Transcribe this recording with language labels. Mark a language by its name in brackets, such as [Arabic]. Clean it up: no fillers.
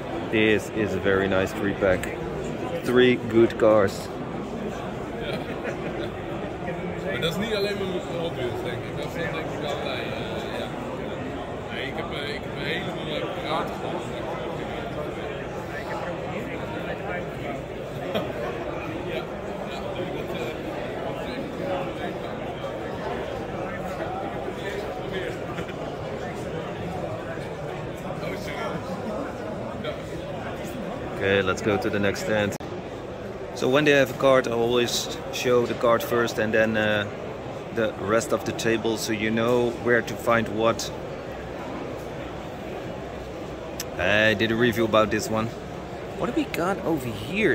[English] this is a very nice three pack. Three good cars. [Dutch] Maar dat is niet alleen maar mijn voorbeeld, denk ik. Dat vind ik wel bij. Ik heb een hele mooie apparaat gevonden. Ik heb er ook hier een met de [English] Okay, let's go to the next stand. So when they have a card, I always show the card first and then the rest of the table, so you know where to find what. I did a review about this one. What do we got over here?